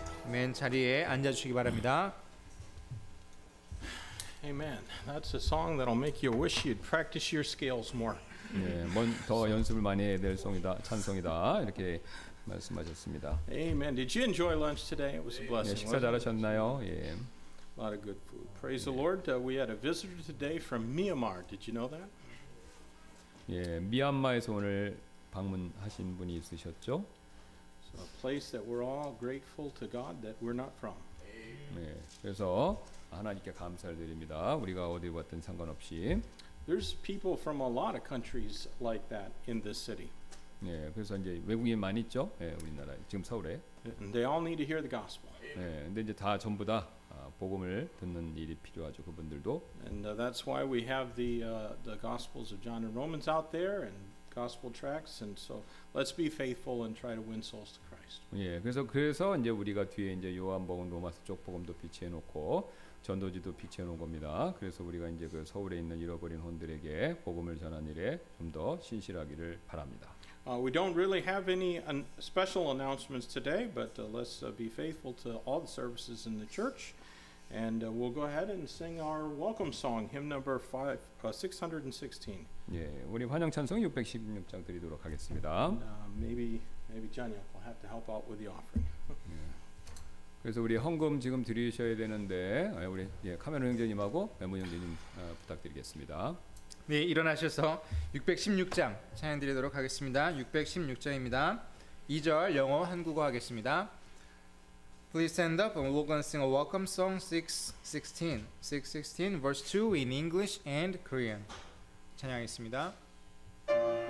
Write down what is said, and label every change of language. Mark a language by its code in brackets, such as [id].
[ko] 맨 자리에 앉아주시기 바랍니다 [en] Amen. That's a song that'll make you wish you'd practice your scales more. [ko] 예, 더 연습을 많이 해야 될 성이다, 찬성이다 이렇게 말씀하셨습니다. [en] Amen. Did you enjoy lunch today? It was a blessing. [ko] 예, 식사 잘하셨나요? 예. [en] A lot of good food. Praise the Lord. We had a visitor today from Myanmar. Did you know that? [ko] 예, 미얀마에서 오늘 방문하신 분이 있으셨죠? [en] So a place that we're all grateful to God that we're not from. [ko] 예, 그래서 하나님께 감사를 드립니다. 우리가 어디 왔든 상관없이. [en] There's people from a lot of countries like that in this city. [ko] 네, 그래서 이제 외국인 많이 있죠. 네, 우리나라 지금 서울에. [en] And they all need to hear the gospel. [ko] 네, 근데 이제 다 전부 다 복음을 듣는 일이 필요하죠. 그분들도. [en] And that's why we have the Gospels of John and Romans out there and gospel tracts. And so let's be faithful and try to win souls to Christ. [ko] 네, 그래서 이제 우리가 뒤에 이제 요한복음, 로마서 쪽 복음도 비치해 놓고. 전도지도 비치해 놓은 겁니다. 그래서 우리가 이제 그 서울에 있는 잃어버린 혼들에게 복음을 전한 일에 좀 더 신실하기를 바랍니다. [en] We don't really have any special announcements today, but let's be faithful to all the services in the church, and we'll go ahead and sing our welcome song, hymn number 616. [ko] 예, 우리 환영 찬송 616장 드리도록 하겠습니다. [en] Maybe Johnny will have to help out with the offering. [ko] 그래서 우리 헌금 지금 드리셔야 되는데 우리 예, 카메론 형제님하고 메모 형제님 부탁드리겠습니다. 네, 일어나셔서 616장 찬양드리도록 하겠습니다. 616장입니다. 2절 영어 한국어 하겠습니다. [en] Please stand up and we're going to sing a welcome song 616. 616 verse 2 in English and Korean. [ko] 찬양하겠습니다.